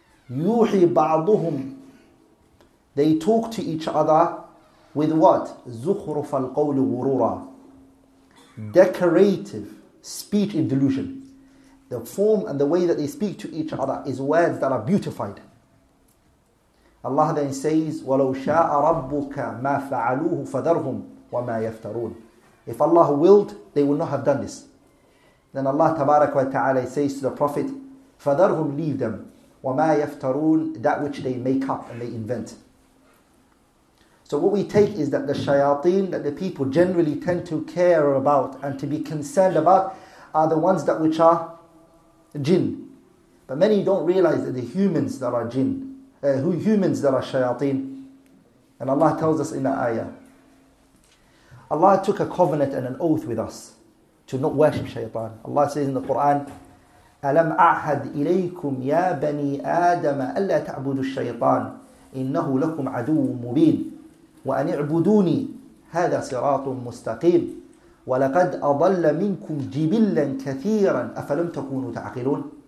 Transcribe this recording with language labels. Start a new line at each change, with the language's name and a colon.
Arabic: يُوحِي بَعْضُهُمْ,
English: they talk to each other, With what?
Arabic: زخرف القول غرورا.
English: Decorative speech in delusion. The form and the way that they speak to each other is words that are beautified. Allah then says,
Arabic: وَلَوْ شَاءَ رَبُّكَ مَا فَعَلُوهُ فَذَرْهُمْ وَمَا يَفْتَرُونَ.
English: If Allah willed, they would not have done this. Then Allah tabarak wa ta'ala says to the Prophet,
Arabic: فَذَرْهُمْ,
English: leave them.
Arabic: وَمَا يَفْتَرُونَ,
English: that which they make up and they invent. So what we take is that the shayateen that the people generally tend to care about and to be concerned about are the ones that which are jinn. But many don't realize that the humans that are jinn, humans that are shayateen. And Allah tells us in the ayah, Allah took a covenant and an oath with us to not worship shaytan. Allah says in the Quran,
Arabic: أَلَمْ أَعْهَدْ إِلَيْكُمْ يَا بَنِي آدَمَ أَلَّا تَعْبُدُ الشَّيْطَانِ إِنَّهُ لَكُمْ عَدُوٌ مُبِينٌ وَأَنِ اعْبُدُونِي هَذَا صِرَاطٌ مُسْتَقِيمٌ وَلَقَدْ أَضَلَّ مِنْكُمْ جِبِلًّا كَثِيرًا أَفَلَمْ تَكُونُوا تَعَقِلُونَ.